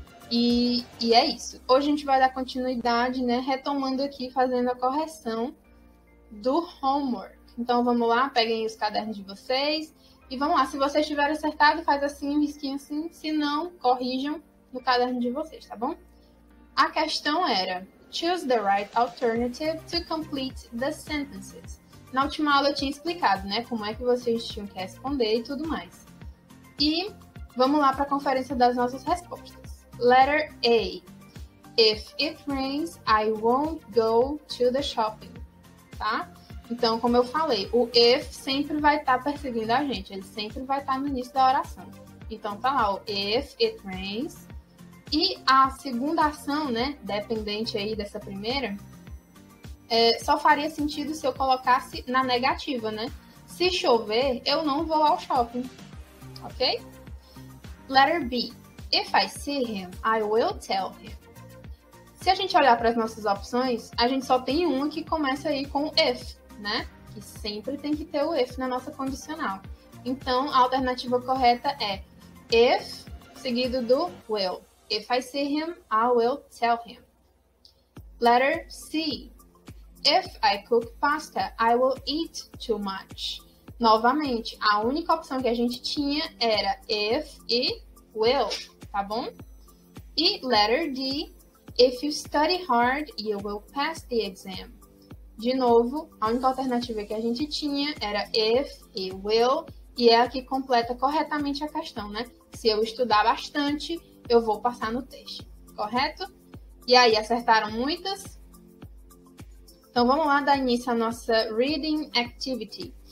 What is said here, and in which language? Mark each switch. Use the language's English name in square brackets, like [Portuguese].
[Portuguese] E é isso. Hoje a gente vai dar continuidade, né? Retomando aqui, fazendo a correção do homework. Então, vamos lá, peguem os cadernos de vocês. E vamos lá, se vocês tiverem acertado, faz assim, um risquinho assim. Se não, corrijam no caderno de vocês, tá bom? A questão era... [English] Choose the right alternative to complete the sentences. [Portuguese] Na última aula eu tinha explicado, né? Como é que vocês tinham que responder e tudo mais. E vamos lá para a conferência das nossas respostas. [English] Letter A. If it rains, I won't go to the shopping. [Portuguese] Tá? Então, como eu falei, o if sempre vai estar perseguindo a gente. Ele sempre vai estar no início da oração. Então, tá lá o [English] if it rains... [Portuguese] E a segunda ação, né, dependente aí dessa primeira, só faria sentido se eu colocasse na negativa, né? Se chover, eu não vou ao shopping, ok? [English] Letter B. If I see him, I will tell him. [Portuguese] Se a gente olhar para as nossas opções, a gente só tem uma que começa aí com if, né? Que sempre tem que ter o if na nossa condicional. Então, a alternativa correta é if seguido do will. [English] If I see him, I will tell him. Letter C. If I cook pasta, I will eat too much. [Portuguese] Novamente, a única opção que a gente tinha era if e will, tá bom? [English] E letter D. If you study hard, you will pass the exam. [Portuguese] De novo, a única alternativa que a gente tinha era if e will, e é a que completa corretamente a questão, né? Se eu estudar bastante, eu vou passar no teste, correto? E aí, acertaram muitas? Então, vamos lá dar início à nossa reading activity.